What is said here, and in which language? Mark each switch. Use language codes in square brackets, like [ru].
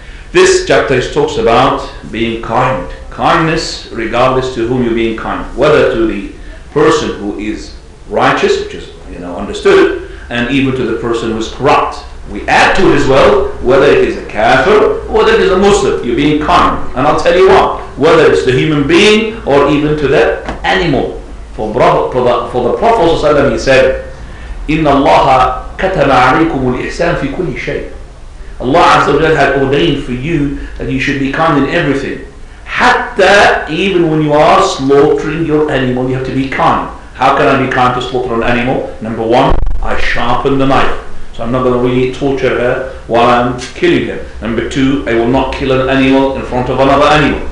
[en] This chapter talks about being kind. Kindness, regardless to whom you're being kind, whether to the person who is righteous, which is, you know, understood, and even to the person who is corrupt. We add to it as well, whether it is a kafir or whether it is a Muslim, you're being kind. And I'll tell you what, whether it's the human being or even to that animal. For the Prophet ﷺ, he said, [ar] إِنَّ اللَّهَ كَتَبَ عَلَيْكُمُ الْإِحْسَانِ فِي كُلِّ شَيْءٍ. [en] Allah Azza wa Jalla had ordained for you that you should be kind in everything. Hatta, even when you are slaughtering your animal, you have to be kind. How can I be kind to slaughter an animal? Number one, I sharpen the knife. So I'm not going to really torture her while I'm killing her. Number two, I will not kill an animal in front of another animal.